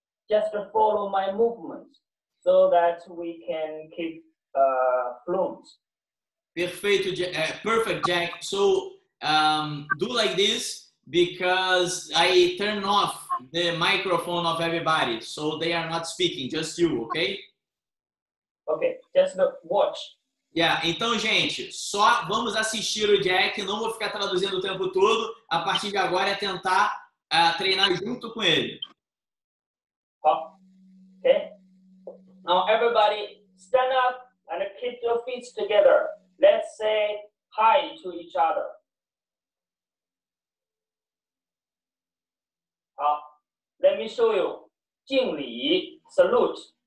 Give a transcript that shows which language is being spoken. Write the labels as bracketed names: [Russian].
[English] Just follow my movements, so that we can keep fluent. [Portuguese] Perfeito, [English] perfect, Jack. So do like this, because I turn off the microphone of everybody, so they are not speaking, just you, okay? Okay, just watch. [Portuguese] Yeah, então, gente, só vamos assistir o Jack, não vou ficar traduzindo o tempo todo. A partir de agora é tentar treinar junto com ele. [English] Oh. Okay. Now, everybody, stand up and keep your feet together. Let's say hi to each other. Oh. Let me show you. Jing Li, salute.